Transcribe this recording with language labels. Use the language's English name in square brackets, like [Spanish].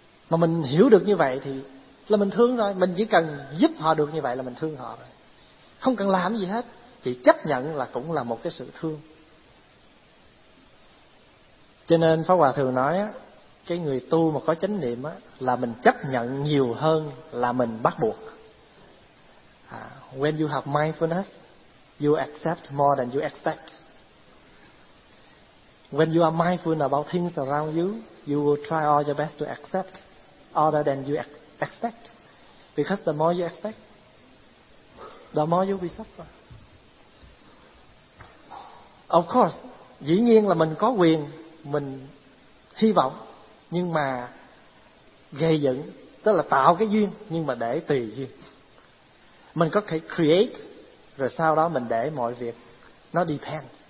[Vietnamese] Mà mình hiểu được như vậy thì là mình thương rồi. Mình chỉ cần giúp họ được như vậy là mình thương họ rồi. Không cần làm gì hết, chỉ chấp nhận là cũng là một cái sự thương. Cho nên Pháp Hòa thường nói, cái người tu mà có chánh niệm là mình chấp nhận nhiều hơn là mình bắt buộc. [English] When you have mindfulness, you accept more than you expect. When you are mindful about things around you, you will try all your best to accept other than you expect. Because the more you expect, the more you will suffer. Of course, [Vietnamese] dĩ nhiên là mình có quyền, mình hy vọng, nhưng mà gây dựng, tức là tạo cái duyên, nhưng mà để tùy duyên. Mình có thể [English] create, [Vietnamese] rồi sau đó mình để mọi việc, nó [English] depend.